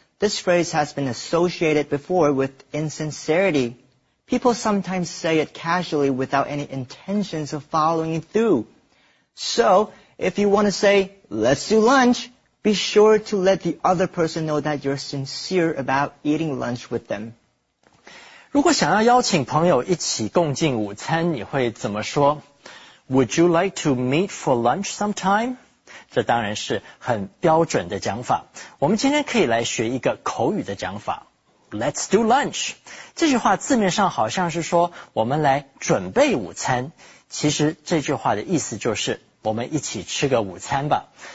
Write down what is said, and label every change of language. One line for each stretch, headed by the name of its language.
English: This phrase has been associated before with insincerity. People sometimes say it casually without any intentions of following through. So, if you want to say, let's do lunch, be sure to let the other person know that you're sincere about eating lunch with them.
Chinese: 如果想要邀请朋友一起共进午餐，你会怎么说？
English: Would you like to meet for lunch sometime?
Chinese: 这当然是很标准的讲法。我们今天可以来学一个口语的讲法。
English: Let's do lunch.
Chinese: 这句话字面上好像是说我们来准备午餐。其实这句话的意思就是我们一起吃个午餐吧。